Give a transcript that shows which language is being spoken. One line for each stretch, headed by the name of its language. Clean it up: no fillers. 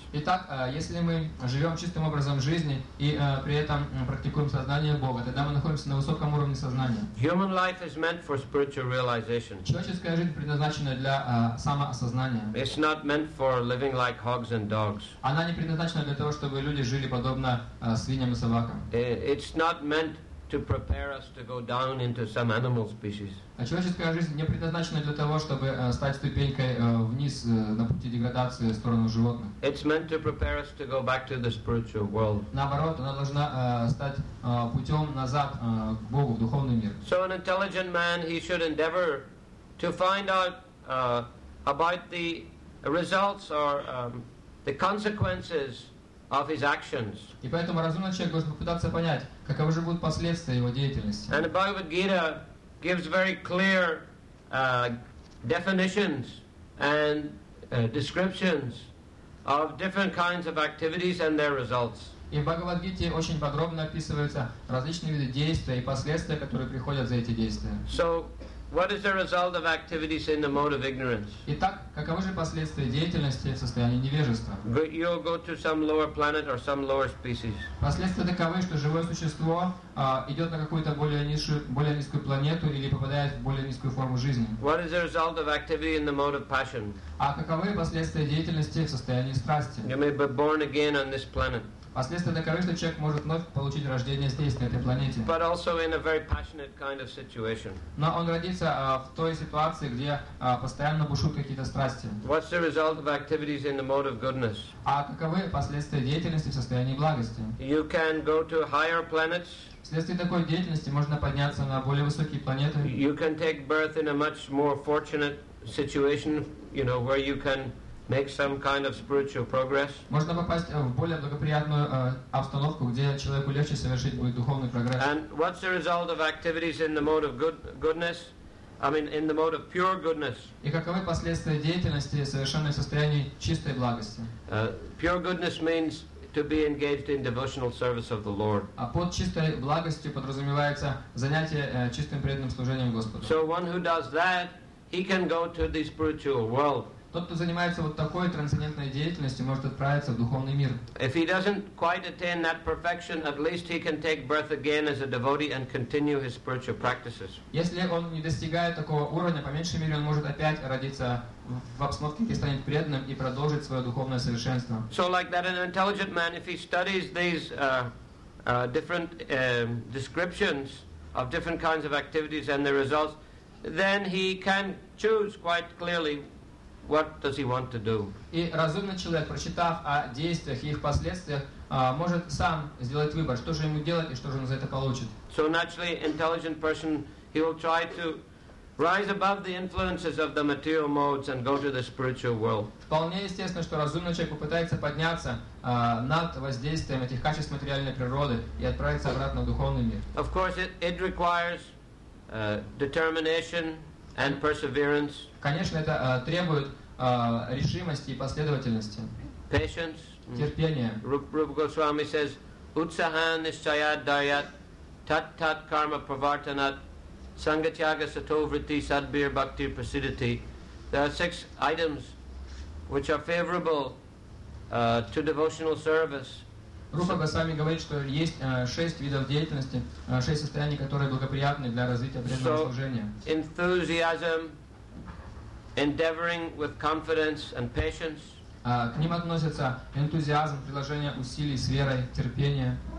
Russian: Итак, если мы живем чистым образом жизни и при этом практикуем сознание Бога, тогда мы находимся на высоком уровне сознания.
English: Human life is meant for spiritual realization.
Russian: Человеческая жизнь предназначена для самоосознания.
English: It's not meant for living like hogs and dogs.
Russian: Она не предназначена для того, чтобы люди жили подобно свиньям и собакам.
English: It's not meant to prepare us to go down into some animal species.
Russian: А человеческая жизнь не предназначена для того, чтобы стать ступенькой вниз на пути деградации в сторону животных.
English: It's meant to prepare us to go back to the spiritual world.
Russian: Наоборот, она должна стать путем назад к Богу, в духовный мир.
English: So an intelligent man, he should endeavor to find out about the results or the consequences of his actions.
Russian: И поэтому разумный человек должен попытаться понять, каковы же будут последствия его деятельности.
English: And the Bhagavad Gita gives very clear definitions and descriptions of different kinds of activities and their results.
Russian: И в Бхагавад Гите очень подробно описываются различные виды действия и последствия, которые приходят за эти действия.
English: So, what is the result of activities in the mode of ignorance?
Russian: Итак, каковы же последствия деятельности в состоянии невежества?
English: You'll go to some lower planet or some lower species.
Russian: Последствия таковы, что живое существо идет на какую-то более низкую планету или попадает в более низкую форму жизни.
English: What is the result of activity in the mode of passion?
Russian: А каковы последствия деятельности в состоянии страсти?
English: You may be born again on this planet.
Russian: Последствия таковы, что человек может вновь получить рождение здесь, на этой планете.
English: But also in a very passionate kind of situation.
Russian: Но он родится в той ситуации, где постоянно бушуют какие-то страсти.
English: What's the result of activities in the mode of goodness?
Russian: А каковы последствия деятельности в состоянии благости?
English: You can go to higher planets.
Russian: Вследствие такой деятельности можно подняться на более высокие планеты.
English: You can take birth in a much more fortunate situation, you know, where you can make some kind of spiritual progress.
Russian: Можно попасть в более благоприятную обстановку, где человеку легче совершить будет духовный прогресс.
English: And what's the result of activities in the mode of goodness? I mean, in the mode of pure goodness.
Russian: И каковы последствия деятельности в совершенном состоянии чистой благости?
English: Pure goodness means to be engaged in devotional service of the Lord.
Russian: А под чистой благостью подразумевается занятие чистым преданным служением Господу.
English: So one who does that, he can go to the spiritual world.
Russian: Тот, кто занимается вот такой трансцендентной деятельностью, может отправиться в духовный мир.
English: If he doesn't quite attain that perfection, at least he can take birth again as a devotee and continue his spiritual practices.
Russian: Если он не достигает такого уровня, по меньшей мере, он может опять родиться в обстановке, где станет преданным и продолжить свое духовное совершенство.
English: So like that, an intelligent man, if he studies these different descriptions of different kinds of activities and their results, then he can choose quite clearly. What does he want to do?
Russian: И разумный человек, прочитав о действиях и их последствиях, может сам сделать выбор, что же ему делать и что же он за это получит.
English: So naturally, intelligent person, he will try to rise above the influences of the material modes and go to the spiritual world.
Russian: Вполне естественно, что разумный человек попытается подняться над воздействием этих качеств материальной природы и отправиться обратно в духовный мир.
English: Of course, it requires determination and perseverance.
Russian: Конечно, это требует решимости и последовательности.
English: Patience.
Russian: Терпение.
English: Rupa Goswami says,
Sanskrit: Utsahan ischayad daryat tat tat karma pravartanat sangatyaga satovriti sadbir bhakti prasiddhati.
English: There are six items which are favorable to devotional service.
Russian: Rupa Goswami говорит, что есть шесть видов деятельности, шесть состояний, которые благоприятны для развития преданного служения.
English: Enthusiasm, endeavoring with confidence and patience.
Russian: К ним относятся энтузиазм, приложение усилий с верой, терпение.